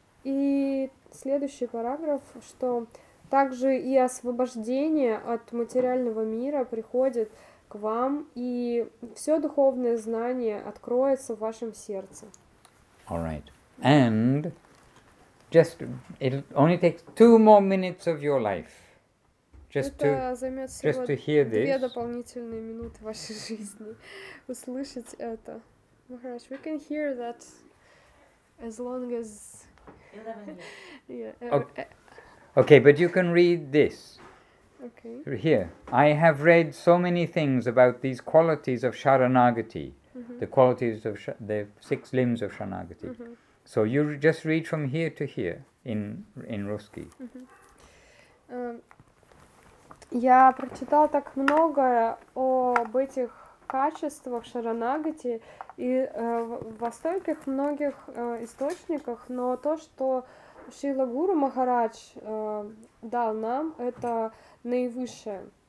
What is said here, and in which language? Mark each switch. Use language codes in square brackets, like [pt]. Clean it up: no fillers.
[ru] И следующий параграф, что также и освобождение от материального мира приходит к вам, и все духовное знание откроется в вашем сердце. [en] All right. And just it only takes two more minutes of your life. Just to hear this. [ru] Две дополнительные минуты вашей жизни услышать это. [en] Махарадж, we can hear that as long as 11 years. Okay, but you can read this. Okay. Here. I have read so many things about these qualities of Sharanagati, the qualities of the six limbs of Sharanagati. Mm-hmm. So you just read from here to here in Ruski. [ru] Я прочитал так много об этих качествах Sharanagati и во стольких многих источниках, но то, что Шрила Гуру Махарадж дал нам это наивысшее.